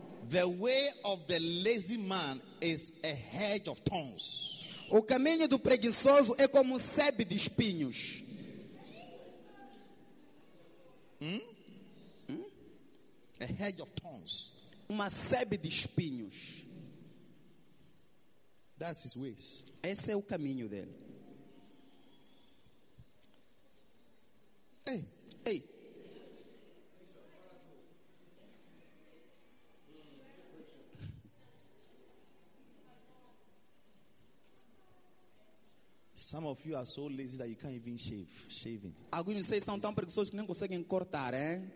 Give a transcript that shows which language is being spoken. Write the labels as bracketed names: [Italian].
[English] The way of the lazy man is a hedge of thorns. [Portuguese] O caminho do preguiçoso é como um sebe de espinhos. [English] A hedge of thorns. [Portuguese] Uma sebe de espinhos. [English] That's his ways. [Portuguese] Esse é o caminho dele. [English] Hey. Some of you are so lazy that you can't even shave. [Portuguese] Alguns de vocês são tão preguiçosos que nem conseguem cortar, hein?